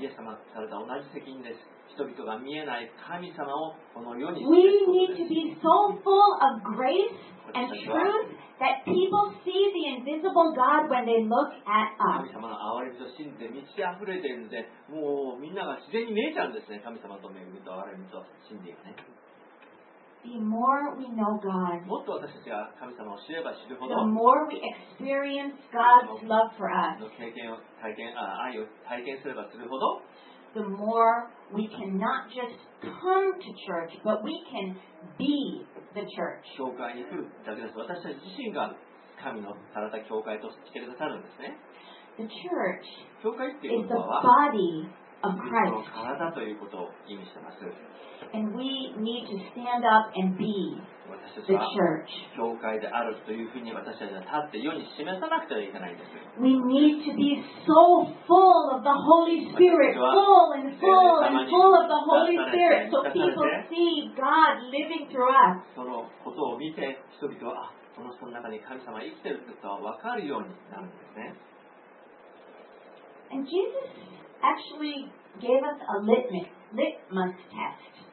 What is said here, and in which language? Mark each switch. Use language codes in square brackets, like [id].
[ja] イエス様とされた同じ責任です。人々が見えない神様をこの世に。 [en] We need to be so full of grace and truth. That people see the invisible God when they look at us. [ja] 神様の憐れみと真理で満ち溢れているので、もうみんなが自然に見えちゃうんですね。神様と恵みと憐れみと真理がね。 [en] The more we know God, [ja] もっと私たちが神様を知れば知るほど、 [en] the more we experience God's love for us. [ja] の経験を体験、あ、愛を体験すればするほど、 [en] the more we can not just come to church, but we can be. The church. [ja] 教会に行くだけです。私たち自身が神のされた教会としてくださるんですね。 [en] The church [ja] 教会っていうのは [en] is the body of Christ. [ja] 神の体ということを意味しています。 [en] And we need to stand up and be the church. [ja] 私たちは教会であるというふうに私たちは立って世に示さなくてはいけないんです。 [en] We need to be so full of the Holy Spirit, full and full and full of the Holy Spirit, so people see God living through us. [ja] そのことを見て人々は、あ、その人の中に神様が生きてるってことは分かるようになるんですね。 [en] And Jesus actually gave us a litmus test.